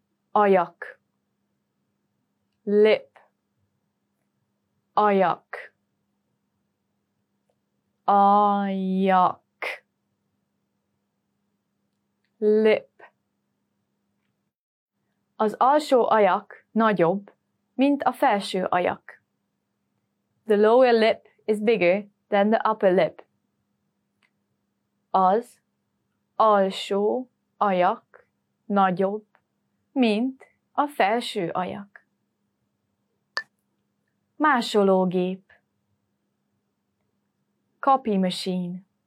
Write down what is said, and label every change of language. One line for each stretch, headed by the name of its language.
Hungarian: Ajak. Lip. Ajak. Ajak.
English: Lip.
Hungarian: Az alsó ajak nagyobb, mint a felső ajak.
English: The lower lip is bigger than the upper lip.
Hungarian: Az alsó ajak nagyobb, mint a felső ajak. Másológép.
English: Copy machine.